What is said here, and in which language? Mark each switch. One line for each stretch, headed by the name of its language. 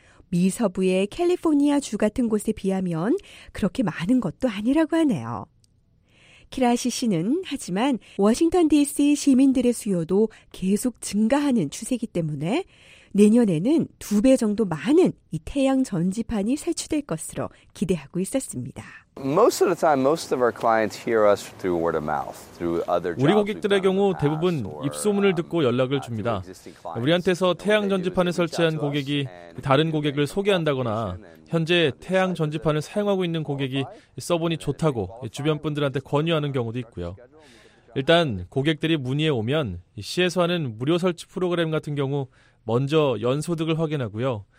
Korean: 미 서부의 캘리포니아 주 같은 곳에 비하면 그렇게 많은 것도 아니라고 하네요. 키라시 씨는 하지만 워싱턴 DC 시민들의 수요도 계속 증가하는 추세이기 때문에 내년에는 두 배 정도 많은 이 태양 전지판이 설치될 것으로 기대하고 있었습니다.
English: Most of the time, most of our clients hear us through word of mouth, through other jobs.
Korean: 우리 고객들의 경우 대부분 입소문을 듣고 연락을 줍니다. 우리한테서 태양 전지판을 설치한 고객이 다른 고객을 소개한다거나 현재 태양 전지판을 사용하고 있는 고객이 써보니 좋다고 주변 분들한테 권유하는 경우도 있고요. 일단 고객들이 문의해 오면 시에서 하는 무료 설치 프로그램 같은 경우 먼저 연소득을 확인하고요.